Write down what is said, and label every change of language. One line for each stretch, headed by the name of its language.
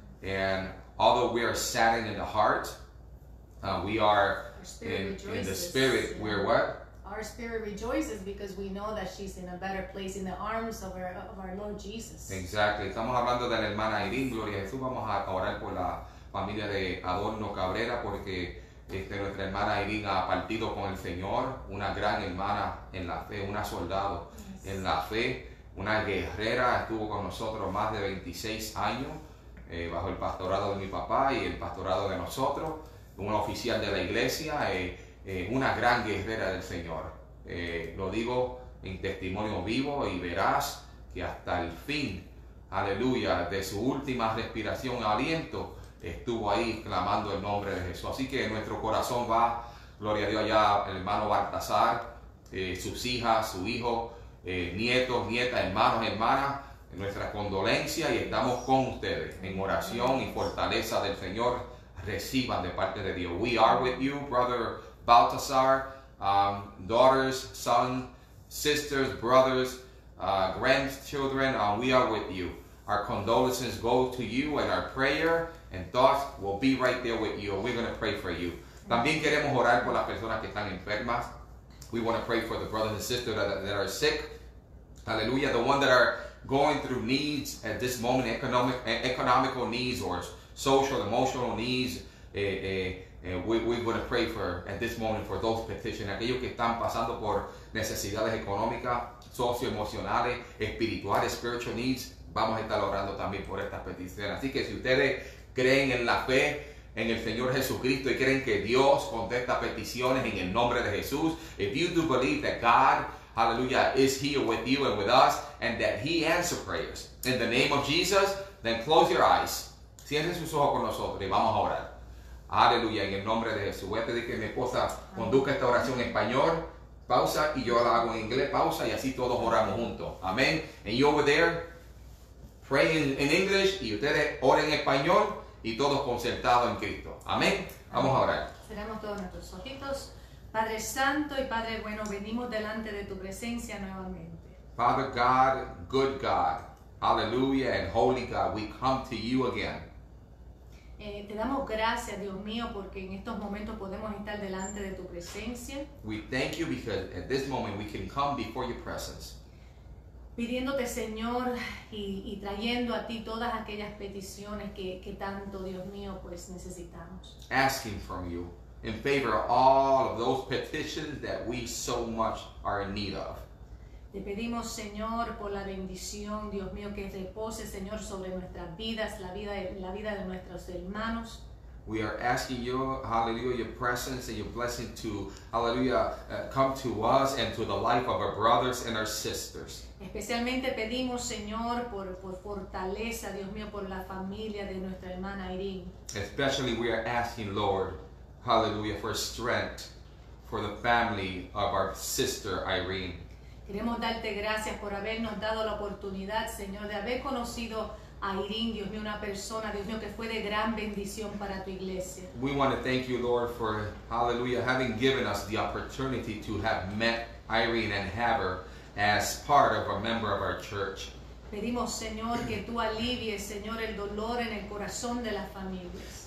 English: And although we are saddened in the heart, we are in the spirit, we're what? Our spirit rejoices because we know that she's in a better place in the arms of our Lord Jesus. Exactly.
Spanish: Estamos hablando de la hermana Irene, gloria a Jesús. Vamos a orar por la familia de Adorno Cabrera porque nuestra hermana Irene ha partido con el Señor. Una gran hermana en la fe, una soldado en la fe, una guerrera. Estuvo con nosotros más de 26 años bajo el pastorado de mi papá y el pastorado de nosotros. Una oficial de la iglesia. Una gran guerrera del Señor. Lo digo en testimonio vivo y verás que hasta el fin, aleluya, de su última respiración, aliento, estuvo ahí clamando el nombre de Jesús. Así que nuestro corazón va, gloria a Dios, allá el hermano Baltasar, sus hijas, su hijo, nietos, nietas, hermanos, hermanas, nuestra condolencia, y estamos con ustedes en oración y fortaleza del Señor. Reciban de parte de Dios.
English: We are with you, brother Baltasar, daughters, sons, sisters, brothers, grandchildren, we are with you. Our condolences go to you, and our prayer and thoughts will be right there with you. We're going to pray for you.
Spanish: También queremos orar por las personas que están enfermas.
English: We want to pray for the brothers and sisters that are sick. Hallelujah. The ones that are going through needs at this moment, economical needs or social, emotional needs. We're going to pray for at this moment for those petitions.
Spanish: Aquellos que están pasando por necesidades económicas, socioemocionales, espirituales,
English: spiritual needs.
Spanish: Vamos a estar orando también por estas peticiones. Así que si ustedes creen en la fe en el Señor Jesucristo y creen que Dios contesta peticiones en el nombre de Jesús,
English: if you do believe that God, hallelujah, is here with you and with us, and that He answers prayers in the name of Jesus, then close your eyes.
Spanish: Cierren sus ojos con nosotros y vamos a orar. Aleluya, en el nombre de Jesús. Voy a pedir que mi esposa conduzca esta oración en español. Pausa, y yo la hago en inglés. Pausa, y así todos oramos juntos. Amén.
English: And you over there, pray in English,
Spanish: y ustedes oren en español, y todos concertados en Cristo. Amén. Vamos a orar. Cerramos todos nuestros ojitos. Padre Santo y Padre Bueno, venimos delante de tu presencia nuevamente.
English: Father God, good God, hallelujah and holy God, we come to you again.
Spanish: Te damos gracias, Dios mío, porque en estos momentos podemos estar delante de tu presencia.
English: We thank you because at this moment we can come before your presence.
Spanish: Pidiéndote, Señor, y trayendo a ti todas aquellas peticiones que tanto, Dios mío, pues necesitamos.
English: Asking from you in favor of all of those petitions that we so much are in need of.
Spanish: Te pedimos, Señor, por la bendición, Dios mío, que repose, Señor, sobre nuestras vidas, la vida de nuestros hermanos.
English: We are asking you, hallelujah, your presence and your blessing to, hallelujah, come to us and to the life of our brothers and our sisters.
Spanish: Especialmente pedimos, Señor, por fortaleza, Dios mío, por la familia de nuestra hermana Irene.
English: Especially we are asking, Lord, hallelujah, for strength for the family of our sister Irene.
Spanish: Queremos darte gracias por habernos dado la oportunidad, Señor, de haber conocido a Irene, Dios mío, una persona, Dios mío, que fue de gran bendición para tu iglesia.
English: We want to thank you, Lord, for, hallelujah, having given us the opportunity to have met Irene and have her as part of a member of our church.
Spanish: Pedimos, Señor, que tú alivies, Señor, el dolor en el corazón de las familias.